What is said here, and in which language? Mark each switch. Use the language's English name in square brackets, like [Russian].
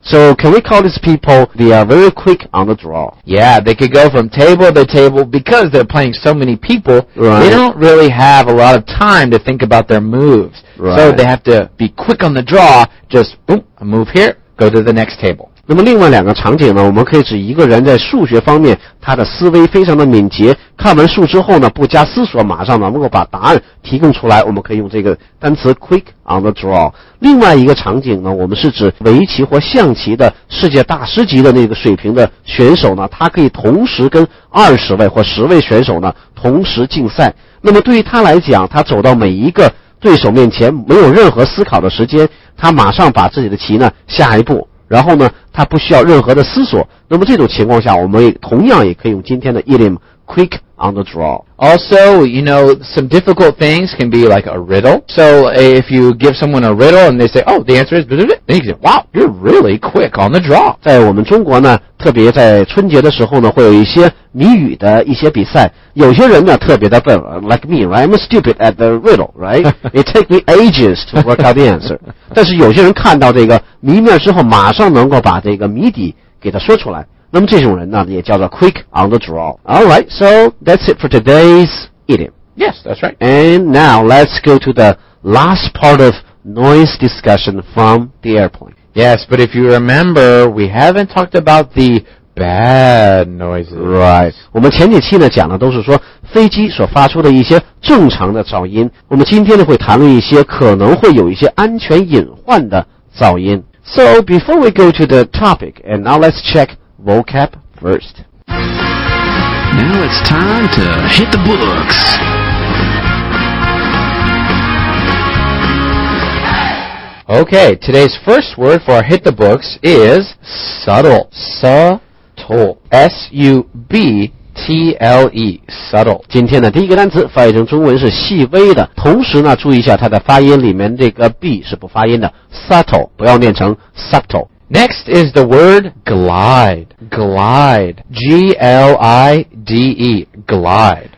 [English] So can we call these people, they are very quick on the draw? Yeah, they could go from table to table because they're playing so many people. Right. They don't really have a lot of time to think about their moves. Right. So they have to be quick on the draw. Just, boom, move here, go to the next table. [Chinese] 那么另外两个场景呢，我们可以指一个人在数学方面，他的思维非常的敏捷，看完数之后呢，不加思索，马上能够把答案提供出来，我们可以用这个单词 [English] quick on the draw。 [Chinese] 另外一个场景呢，我们是指围棋或象棋的世界大师级的那个水平的选手呢，他可以同时跟20位或10位选手呢，同时竞赛。那么对于他来讲，他走到每一个对手面前，没有任何思考的时间，他马上把自己的棋呢，下一步。然后呢，他不需要任何的思索。那么这种情况下，我们同样也可以用今天的 idiom [English] quick on the draw. Also, you know, some difficult things can be like a riddle. So if you give someone a riddle and they say, oh, the answer is, then you say, wow, you're really quick on the draw. [Chinese] 在我们中国呢，特别在春节的时候呢，会有一些谜语的一些比赛。有些人呢特别的笨 [English] ，like me, right? I'm stupid at the riddle, right? It takes me ages to work out the answer. [Chinese] 但是有些人看到这个谜面之后，马上能够把这个谜底给他说出来。那么这种人呢，也叫做 [English] quick on the draw. All right, so that's it for today's idiom. Yes, that's right. And now let's go to the last part of noise discussion from the airplane. Yes, but if you remember, we haven't talked about the bad noises. Right. [Chinese] 我们前几期呢讲的都是说飞机所发出的一些正常的噪音。我们今天呢会谈论一些可能会有一些安全隐患的噪音。 [English] So before we go to the topic, and now let's check. Vocab first. Now it's time to hit the books. Okay, today's first word for hit the books is subtle. Subtle. S-U-B-T-L-E. Subtle. [Chinese] 今天的第一个单词翻译成中文是细微的。同时呢，注意一下它的发音里面这个 B 是不发音的。 Subtle, 不要念成 subtle. [English] Next is the word glide. Glide. G-L-I-D-E. Glide.